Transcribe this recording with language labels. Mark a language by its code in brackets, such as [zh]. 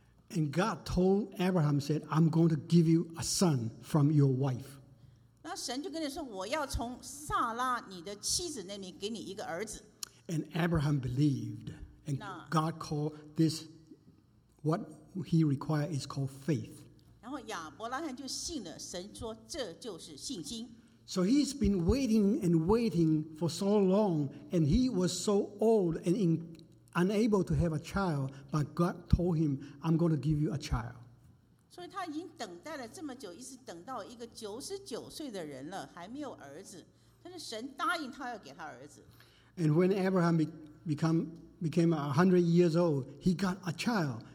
[en] And God told Abraham, said, I'm going to give you a son from your wife. [zh] 那神就跟你说，我要从撒拉你的妻子那里给你一个儿子。 [en] And Abraham believed and God called this What he required is called faith. [zh] 然后亚伯拉罕就信了，神说这就是信心。 [en] So he's been waiting and waiting for so long, and he was so old and unable to have a child, but God told him, I'm going to give you a child. [zh] 所以他已经等待了这么久，一直等到一个99岁的人了，还没有儿子。但是神答应他要给他儿子。 [en] And when Abraham became 100 years old, he got a child.